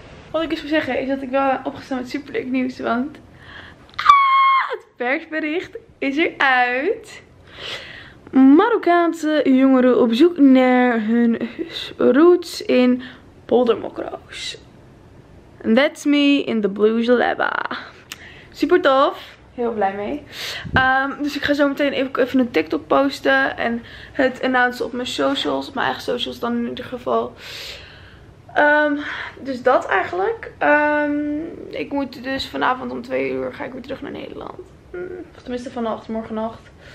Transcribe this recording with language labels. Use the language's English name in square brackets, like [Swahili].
[Dutch] Wat ik eens wil zeggen is dat ik wel opgestaan met super leuk nieuws. Want het persbericht is eruit. Marokkaanse jongeren op zoek naar hun roots in Poldermokroos. [English] And that's me in the blue gelaba. [Dutch] Super tof. Heel blij mee. Dus ik ga zo meteen even een TikTok posten. En het announcen op mijn socials. Op mijn eigen socials dan in ieder geval. Dus dat eigenlijk. Ik moet dus vanavond om 2 uur ga ik weer terug naar Nederland. Of tenminste vannacht, morgennacht.